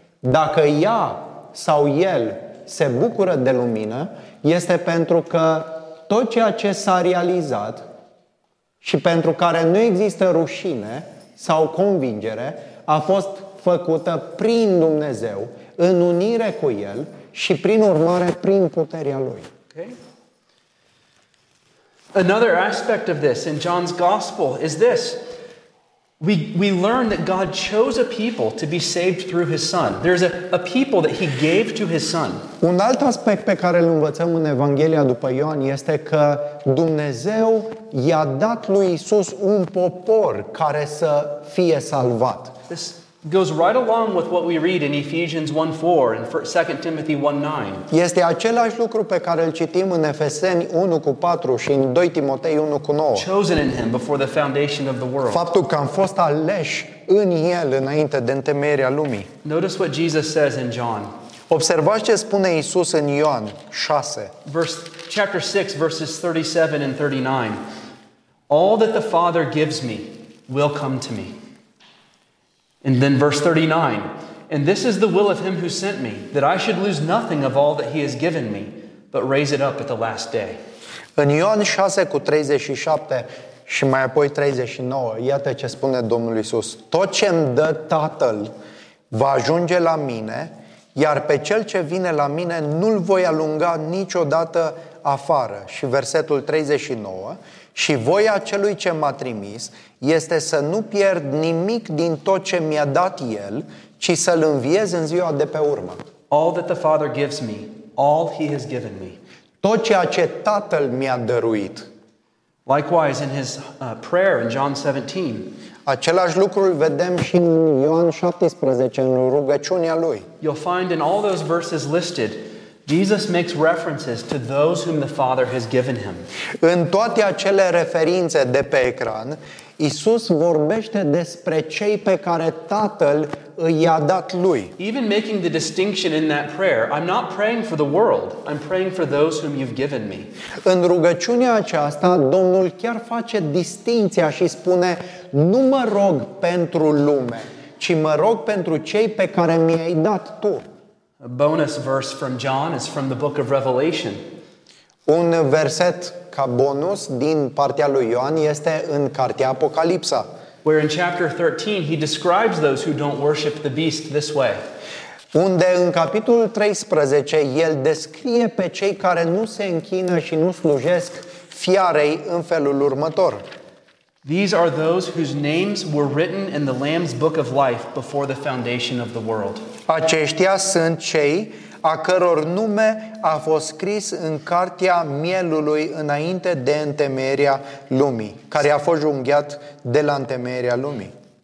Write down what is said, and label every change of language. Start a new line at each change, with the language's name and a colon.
Romanian: Dacă ea sau el se bucură de lumină, este pentru că tot ceea ce s-a realizat și pentru care nu există rușine sau convingere a fost făcută prin Dumnezeu, în unire cu El și prin urmare prin puterea Lui. Okay.
English: Another aspect of this in John's gospel is this. We learn that God chose a people to be saved through his son. There's a people that he gave to his son.
Romanian: Un alt aspect pe care îl învățăm în Evanghelia după Ioan este că Dumnezeu i-a dat lui Iisus un popor care să fie salvat.
English: This goes right along with what we read in Ephesians 1:4 and 2 Timothy 1:9.
Romanian: Este același lucru pe care îl citim în Efeseni 1:4 și în 2 Timotei 1:9.
English: Chosen in him before the foundation of the world.
Romanian: Faptul că am fost aleși în el înainte de întemeierea lumii.
English: Notice what Jesus says in John.
Romanian: Observați ce spune Iisus în Ioan 6.
English: Verse chapter 6 verses 37 and 39. All that the Father gives me will come to me. And then verse 39, and this is the will of him who sent me, that I should lose nothing of all that he has given me, but raise it up at the last day.
Romanian: În Ioan 6 cu 37 și mai apoi 39, iată ce spune Domnul Iisus, tot ce îmi dă Tatăl va ajunge la mine, iar pe cel ce vine la mine nu-l voi alunga niciodată afară. Și versetul 39, și voia celui ce m-a trimis este să nu pierd nimic din tot ce mi-a dat el, ci să-l înviez în ziua de pe urmă.
English: All that the Father gives me, all he has given me.
Romanian: Tot ceea ce Tatăl mi-a dăruit.
English: Likewise in his prayer in John 17.
Romanian: Același lucru îl vedem și în Ioan 17, în rugăciunea lui.
English: You'll find in all those verses listed, Jesus makes references to those whom the Father has given him.
Romanian: În toate acele referințe de pe ecran, Iisus vorbește despre cei pe care Tatăl i-a dat lui.
English: Even making the distinction in that prayer, I'm not praying for the world, I'm praying for those whom you've given me.
Romanian: În rugăciunea aceasta, Domnul chiar face distinția și spune, nu mă rog pentru lume, ci mă rog pentru cei pe care mi-ai dat tu.
English: A bonus verse from John is from the book of Revelation.
Romanian: Un verset ca bonus din partea lui Ioan este în cartea Apocalipsa.
English: Where in chapter 13 he describes those who don't worship the beast this way.
Romanian: Unde în capitolul 13 el descrie pe cei care nu se închină și nu slujesc fiarei în felul următor.
English: These are those whose names were written in the Lamb's book of life before the foundation of the world.
Romanian: Aceștia sunt cei a căror nume a fost scris în cartea mielului înainte de întemeierea lumii, care a fost junghiat de la întemeierea lumii.